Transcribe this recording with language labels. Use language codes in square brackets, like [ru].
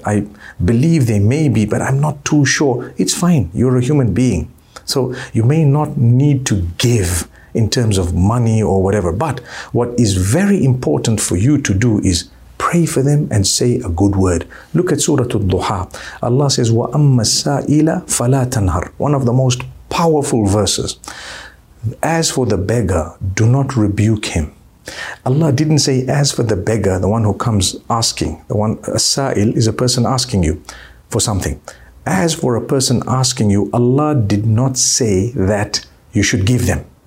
[en] I believe they may be, but I'm not too sure. It's fine. You're a human being. So you may not need to give in terms of money or whatever. But what is very important for you to do is pray for them and say a good word. Look at Surah Al-Duha. Allah says, [ar] وَأَمَّا السَّائِلَ فَلَا تَنْهَرْ. [en] One of the most powerful verses. As for the beggar, do not rebuke him. Allah didn't say, as for the beggar, the one who comes asking. The one, a sa'il, is a person asking you for something. As for a person asking you, Allah did not say that you should give them.